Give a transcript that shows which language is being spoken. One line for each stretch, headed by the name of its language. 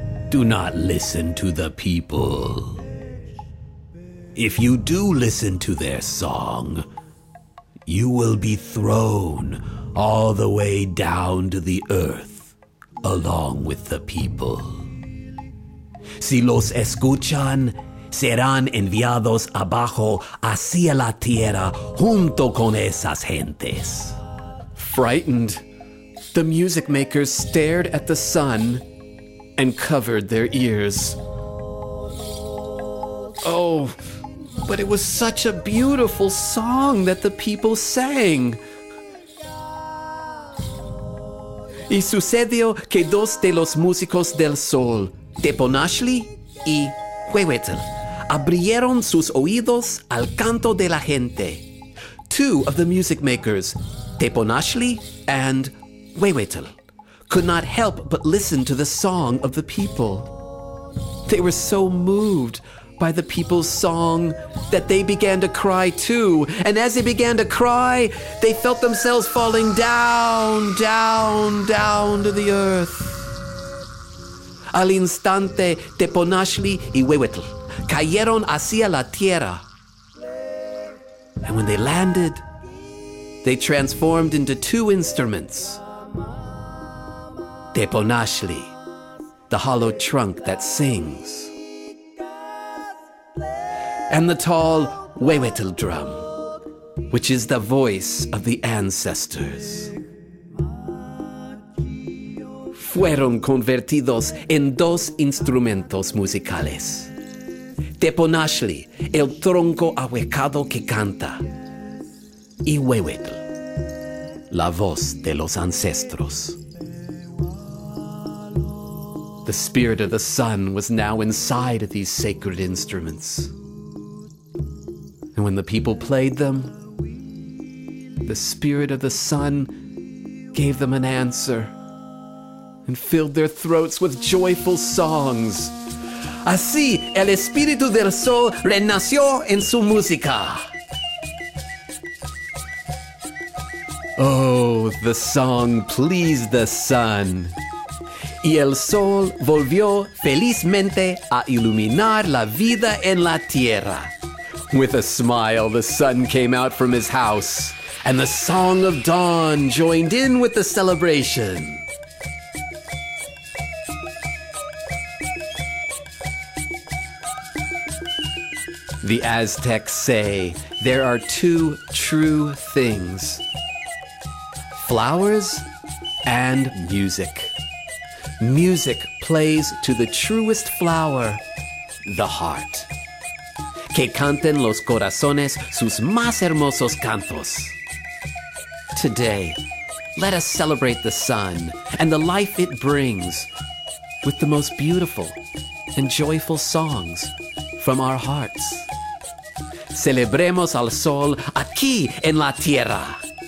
English: Do not listen to the people. If you do listen to their song, you will be thrown all the way down to the earth along with the people.
Spanish: Si los escuchan, serán enviados abajo hacia la tierra junto con esas gentes.
English: Frightened, the music makers stared at the sun and covered their ears. Oh, but it was such a beautiful song that the people sang.
Spanish: Y sucedió que dos de los músicos del sol, Teponachli y Huehuetl, abrieron sus oídos al canto de la gente.
English: Two of the music makers, Teponachli and Huehuetl, could not help but listen to the song of the people. They were so moved by the people's song that they began to cry too. And as they began to cry, they felt themselves falling down, down, down to the earth.
Spanish: Al instante, Teponachli y Huehuetl cayeron hacia la tierra.
English: And when they landed, they transformed into two instruments. Teponachli, the hollow trunk that sings, and the tall Huehuetl drum, which is the voice of the ancestors.
Spanish: Fueron convertidos en dos instrumentos musicales. Teponachli, el tronco ahuecado que canta, y Huehuetl, la voz de los ancestros.
English: The spirit of the sun was now inside of these sacred instruments. And when the people played them, the spirit of the sun gave them an answer and filled their throats with joyful songs.
Spanish: Así, el espíritu del sol renació en su música.
English: Oh, the song pleased the sun.
Spanish: Y el sol volvió felizmente a iluminar la vida en la tierra.
English: With a smile, the sun came out from his house, and the song of dawn joined in with the celebration. The Aztecs say there are two true things, flowers and music. Music plays to the truest flower, the heart.
Spanish: Que canten los corazones sus más hermosos cantos.
English: Today, let us celebrate the sun and the life it brings with the most beautiful and joyful songs from our hearts.
Spanish: Celebremos al sol aquí en la tierra.